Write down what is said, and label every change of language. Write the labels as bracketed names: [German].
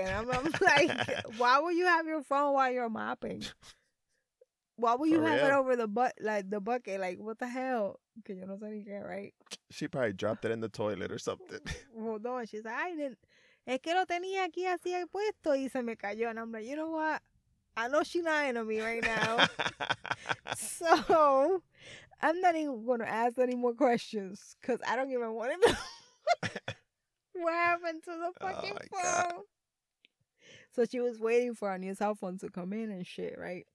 [English] And I'm like, why would you have your phone while you're mapping? Why would you For have real? It over the the bucket? Like, what the hell? [Spanish] Que yo no sé ni qué, [English] right? She probably dropped it in the toilet or something. Well, no, she's like, [Spanish] ay, es que lo tenía aquí así puesto y se me cayó. [English] And I'm like, you know what? I know she's lying to me right now. So, I'm not even going to ask any more questions because I don't even want to know what happened to the fucking phone. God. So, she was waiting for our new cell phone to come in and shit, right?